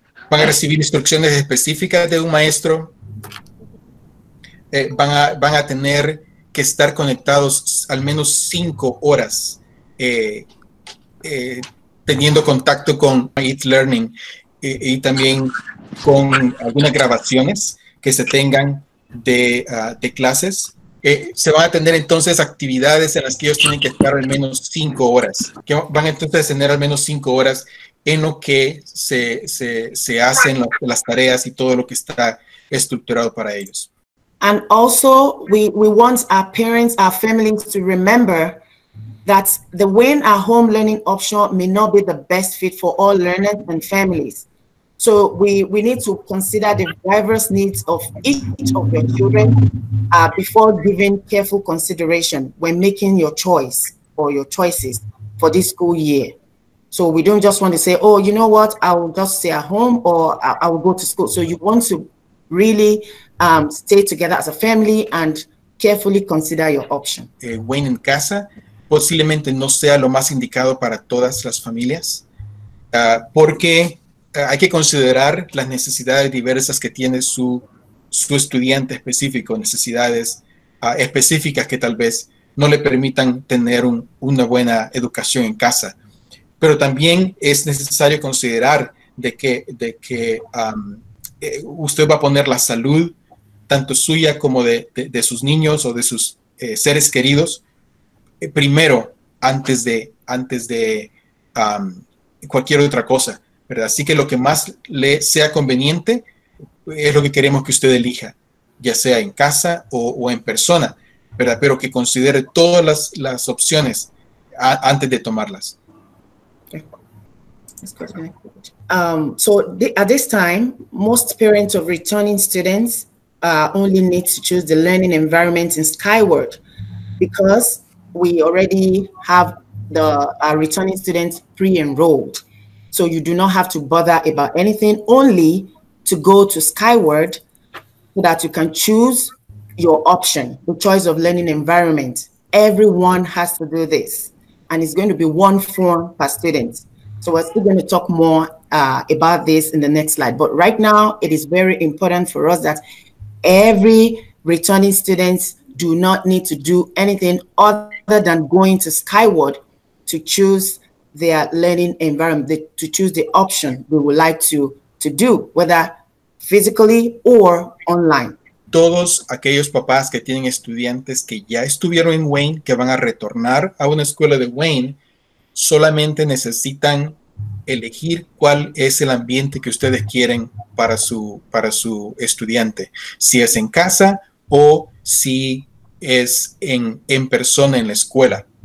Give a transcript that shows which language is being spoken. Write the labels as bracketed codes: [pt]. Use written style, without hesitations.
[es] Van a recibir instrucciones específicas de un maestro. Van a tener que estar conectados al menos 5 horas teniendo contacto con e-learning y también con algunas grabaciones que se tengan de clases. Se van a tener entonces actividades en las que ellos tienen que estar al menos 5 horas, que van entonces a tener al menos 5 horas en lo que se hacen las tareas y todo lo que está estructurado para ellos. [en] And also, we want our parents, our families to remember that the when at home learning option may not be the best fit for all learners and families. So we need to consider the diverse needs of each of your children before giving careful consideration when making your choice or your choices for this school year. So we don't just want to say, oh, you know what, I will just stay at home, or I will go to school. So you want to really stay together as a family and carefully consider your option. [es] Wayne en casa posiblemente no sea lo más indicado para todas las familias, porque hay que considerar las necesidades diversas que tiene su estudiante específico, necesidades específicas que tal vez no le permitan tener una buena educación en casa. Pero también es necesario considerar de que usted va a poner la salud tanto suya como de sus niños o de sus seres queridos primero antes de cualquier otra cosa, ¿verdad? Así que lo que más le sea conveniente es lo que queremos que usted elija, ya sea en casa o en persona, ¿verdad? Pero que considere todas las opciones antes de tomarlas. [en] So at this time, most parents of returning students only need to choose the learning environment in Skyward, because we already have the returning students pre-enrolled. So you do not have to bother about anything, only to go to Skyward so that you can choose your option, the choice of learning environment. Everyone has to do this, and it's going to be one form per student. So we're still going to talk more about this in the next slide. But right now, it is very important for us that every returning student do not need to do anything other than going to Skyward to choose their learning environment, to choose the option we would like to do, whether physically or online. [es] Todos aquellos papás que tienen estudiantes que ya estuvieron en Wayne, que van a retornar a una escuela de Wayne, solamente necesitan elegir cuál es el ambiente que ustedes quieren para su estudiante. Si es en casa o si es en persona en la escuela.